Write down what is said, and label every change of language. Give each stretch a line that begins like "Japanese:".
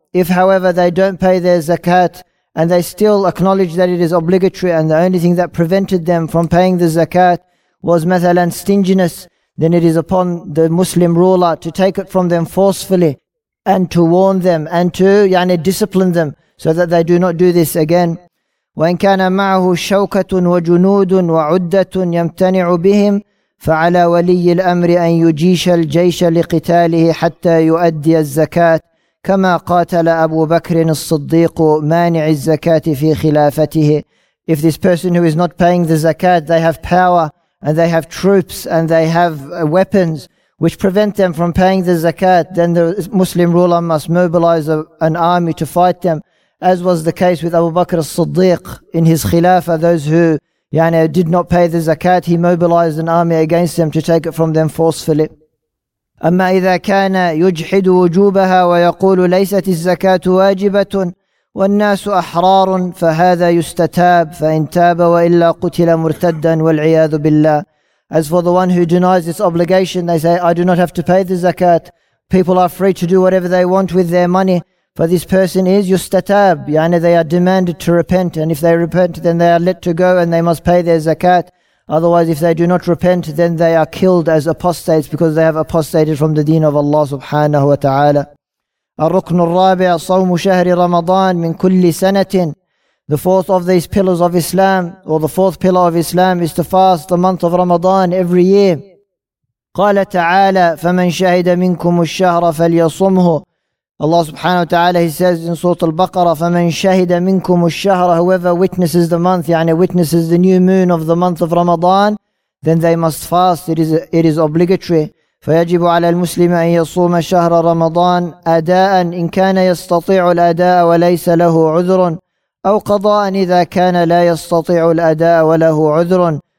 English: If however they don't pay their zakat and they still acknowledge that it is obligatory, and the only thing that prevented them from paying the zakat was mathalan stinginess, then it is upon the Muslim ruler to take it from them forcefully and to warn them and to yani discipline them so that they do not do this again.
Arabic: وَإِنْ كَانَ مَعَهُ شَوْكَةٌ وَجُنُودٌ وَعُدَّةٌ يَمْتَنِعُ بِهِمْ فَعَلَى وَلِيِّ الْأَمْرِ أَنْ يُجِيشَ الْجَيْشَ لِقِتَالِهِ حَتَّى يُؤَدِّيَ الزَّكَاةِ كما قاتل أبو بكر الصديق مانع الزكاة في خلافته.
English: If this person who is not paying the zakat, they have power and they have troops and they have weapons which prevent them from paying the zakat, then the Muslim ruler must mobilize an army to fight them, as was the case with Abu Bakr al-Siddiq in his khilafa. Those who يعني, did not pay the zakat, he mobilized an army against them to take it from them forcefully.
Arabic: أما إذا كان يجحد وجوبها ويقول ليست الزكاة واجبة والناس أحرار فهذا يستتاب فإن تاب وإلا قتل مرتدا والعياذ بالله.
English: As for the one who denies this obligation, they say, I do not have to pay the zakat. People are free to do whatever they want with their money. For this person is يستتاب, يعني they are demanded to repent. And if they repent, then they are let to go and they must pay their zakat. Otherwise, if they do not repent, then they are killed as apostates because they have apostated from the deen of Allah subhanahu wa ta'ala.
Arabic: الركن الرابع صوم شهر رمضان من كل سنة.
English: The fourth of these pillars of Islam, or the fourth pillar of Islam, is to fast the month of Ramadan every year.
Arabic: قال تعالى فمن شهد منكم الشهر فليصمه.
English: Allah subhanahu wa ta'ala, he says in Surah Al-Baqarah,
Arabic: فَمَنْ شَهِدَ مِنْكُمُ الشَّهْرَ.
English: Whoever witnesses the month, يعني witnesses the new moon of the month of Ramadan, then they must fast, it is obligatory.
Arabic: فَيَجِبُ عَلَى الْمُسْلِمِ أَنْ يَصُومَ شَهْرَ رَمَضَانَ أَدَاءً إِنْ كَانَ يَسْتَطِيعُ الْأَدَاءَ وَلَيْسَ لَهُ عُذْرٌ أَوْ قَضَاءً إِذَا كَانَ لَا يَسْتَطِيعُ الْأَدَاءَ وَلَهُ عُذْرٌ.